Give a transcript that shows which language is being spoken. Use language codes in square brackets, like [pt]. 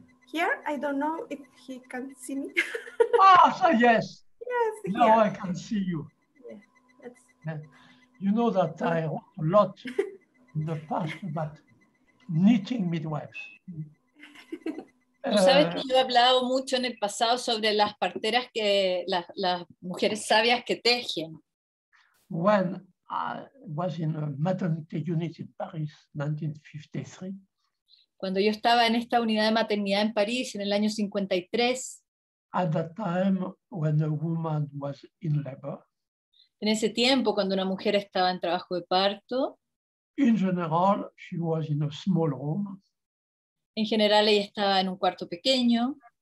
[en] Here, I don't know if he can see me. Ah, so yes. Yes, now here. I can see you. You know that I wrote a lot in the past about knitting midwives. [es] Tú sabes que yo he hablado mucho en el pasado sobre las parteras, que las mujeres sabias que tejen. [en] When I was in a maternity unit in Paris, 1953. [es] Cuando yo estaba en esta unidad de maternidad en París en el año 53. [en] At that time when a woman was in labor. [es] En ese tiempo, cuando una mujer estaba en trabajo de parto, [en] in general, she was in a small room. [es] En general, ella estaba en un cuarto pequeño.